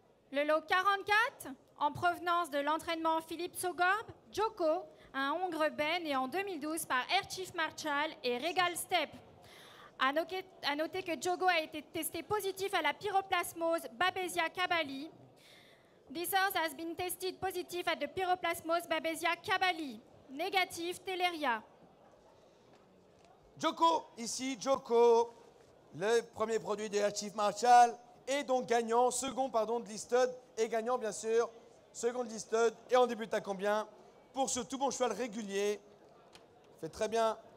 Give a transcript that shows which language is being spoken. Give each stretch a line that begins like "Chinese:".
French: Le lot 44, en provenance de l'entraînement Philippe Sogorb, Joko, un Hongre Ben, né en 2012 par Air Chief Marshall et Regal Step. À noter que Joko a été testé positif à la pyroplasmose Babesia cavalli.
English: This horse has been tested positive at the pyroplasmose Babesia cavalli.
French: Négatif, Teleria. Joko, ici Joko, le premier produit de Air Chief Marshall, et donc gagnant, second pardon de Listed, et gagnant bien sûr, second de Listed, et on débute à combien pour ce tout bon cheval régulier? Fait très bien.